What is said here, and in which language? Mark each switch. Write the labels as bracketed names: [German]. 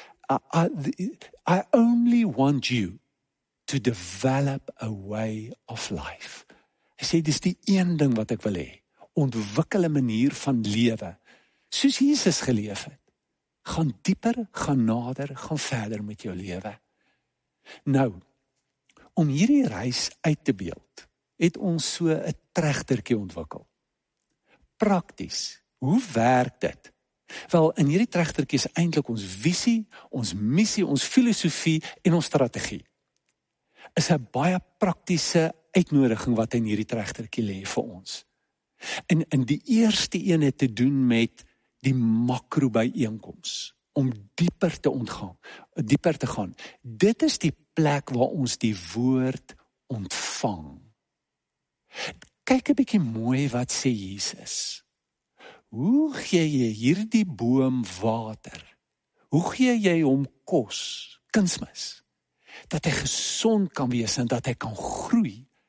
[English] I only want you to develop a way of life. [Afrikaans] Hy sê, dis die een ding wat ek wil hê. Ontwikkel 'n manier van lewe, soos Jesus geleef het. Gaan dieper, gaan nader, gaan verder met jou lewe. Nou, om hierdie reis uit te beeld, het ons so 'n tregtertjie ontwikkel. Prakties, hoe werk dit? Wel, in hierdie tregtertjie is eintlik ons visie, ons missie, ons filosofie en ons strategie. Is 'n baie praktiese uitnodiging wat in hierdie tregtertjie lê vir ons. En die eerste een het te doen met die makro byeenkoms, om dieper te ontgaan, dieper te gaan. Dit is die plek waar ons die woord ontvang. Kyk 'n bietjie mooi wat sê Jesus. Hoe gee jy hierdie boom water? Hoe gee jy hom kos, kunsmis, dat hy gesond kan wees en dat hy kan groei?